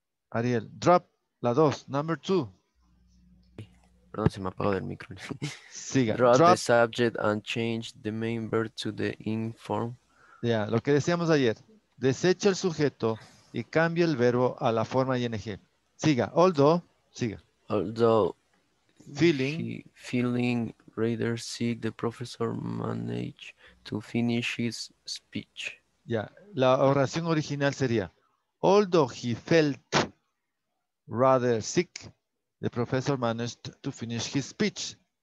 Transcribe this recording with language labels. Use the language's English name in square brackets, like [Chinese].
[English] Ariel, drop. [Spanish] La dos, [English] number two. [Spanish] Perdón, se me apagó el micro. Siga. [English] Drop the subject and change the main verb to the in form. [Spanish] Ya, lo que decíamos ayer. Desecha el sujeto y cambia el verbo a la forma ing. Siga. [English] Although. Feeling. Feeling rather sick, the professor managed to finish his speech. [Spanish] Ya, la oración original sería. [English] Although he felt rather sick, the professor managed to finish his speech.